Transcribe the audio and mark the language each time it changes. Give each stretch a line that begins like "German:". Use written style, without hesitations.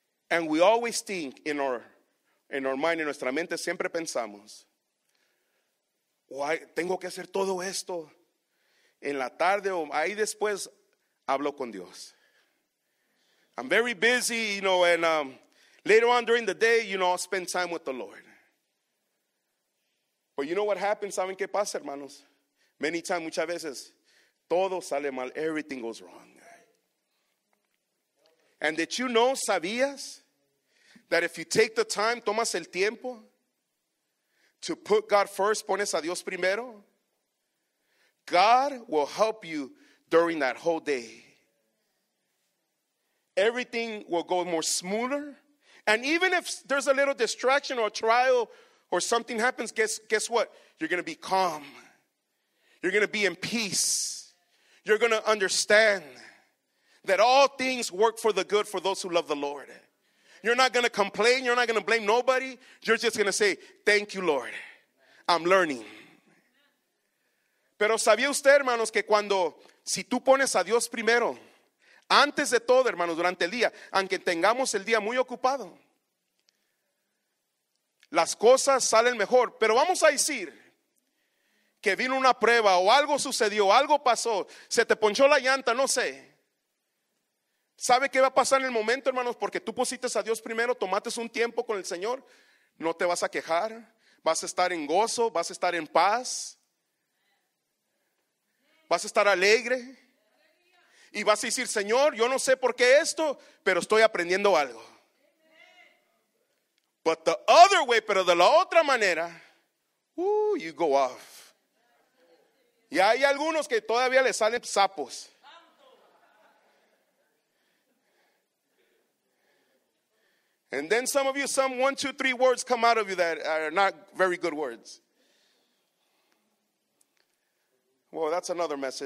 English: And we always think in our mind,
Spanish: en nuestra mente, siempre pensamos, tengo que hacer todo esto en la tarde o ahí después hablo con Dios.
English: I'm very busy, you know, and later on during the day, you know, I'll spend time with the Lord. But you know what happens?
Spanish: ¿Saben qué pasa, hermanos?
English: Many times,
Spanish: muchas veces, todo sale mal.
English: Everything goes wrong. And did you know,
Spanish: sabías?
English: That if you take the time,
Spanish: tomas el tiempo
English: to put God first,
Spanish: pones a Dios primero,
English: God will help you during that whole day. Everything will go more smoother. And even if there's a little distraction or trial or something happens, guess what? You're going to be calm. You're going to be in peace. You're going to understand that all things work for the good for those who love the Lord. You're not going to complain. You're not going to blame nobody. You're just going to say, thank you, Lord. I'm learning.
Spanish: Pero sabía usted, hermanos, que cuando, si tú pones a Dios primero, antes de todo, hermanos, durante el día, aunque tengamos el día muy ocupado, las cosas salen mejor. Pero vamos a decir que vino una prueba o algo sucedió, algo pasó, se te ponchó la llanta, no sé. ¿Sabe qué va a pasar en el momento, hermanos? Porque tú pusiste a Dios primero, tomaste un tiempo con el Señor, no te vas a quejar, vas a estar en gozo, vas a estar en paz, vas a estar alegre y vas a decir, Señor, yo no sé por qué esto, pero estoy aprendiendo algo.
English: But the other way,
Spanish: pero de la otra manera,
English: you go off.
Spanish: Y hay algunos que todavía le salen sapos.
English: And then some of you, some 1, 2, 3 words come out of you that are not very good words. Well, that's another message.